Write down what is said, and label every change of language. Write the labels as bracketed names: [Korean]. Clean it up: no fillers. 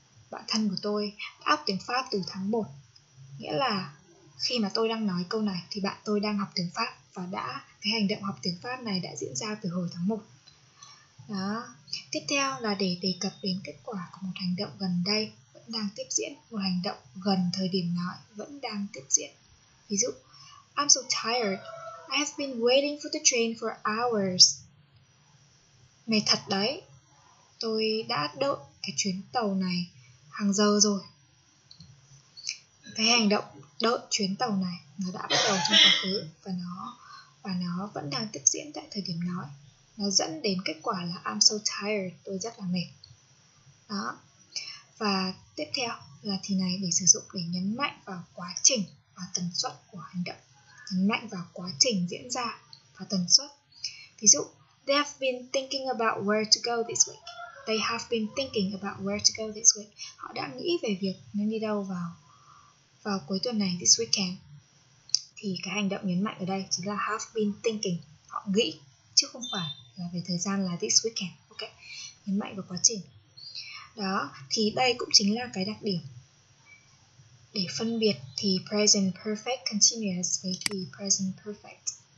[Vietnamese] Bạn thân của tôi đã học tiếng Pháp từ tháng 1. Nghĩa là khi mà tôi đang nói câu này thì bạn tôi đang học tiếng Pháp và đã cái hành động học tiếng Pháp này đã diễn ra từ hồi tháng 1. Đó. Tiếp theo là để đề cập đến kết quả của một hành động gần đây vẫn đang tiếp diễn, một hành động gần thời điểm nói vẫn đang tiếp diễn. Ví dụ, [English] I'm so tired. I have been waiting for the train for hours. [Vietnamese] Mệt thật đấy. Tôi đã đợi cái chuyến tàu này hàng giờ rồi. Cái hành động đợi chuyến tàu này nó đã bắt đầu trong quá khứ và nó vẫn đang tiếp diễn tại thời điểm nói. Nó dẫn đến kết quả là [English] I'm so tired, [Vietnamese] tôi rất là mệt. Đó. Và tiếp theo là thì này để sử dụng để nhấn mạnh vào quá trình và tần suất của hành động. Nhấn mạnh vào quá trình diễn ra và tần suất. Ví dụ, [English] they have been thinking about where to go this week. They have been thinking about where to go this week. [Vietnamese] Họ đã nghĩ về việc nên đi đâu vào cuối tuần này, [English] this weekend. [Vietnamese] Thì cái hành động nhấn mạnh ở đây chính là [English] have been thinking, [Vietnamese] họ nghĩ. Chứ không phải là về thời gian là [English] this weekend, [Vietnamese] ok? Nhấn mạnh vào quá trình. Đó, thì đây cũng chính là cái đặc điểm. Để phân biệt thì present perfect continuous với thì present perfect.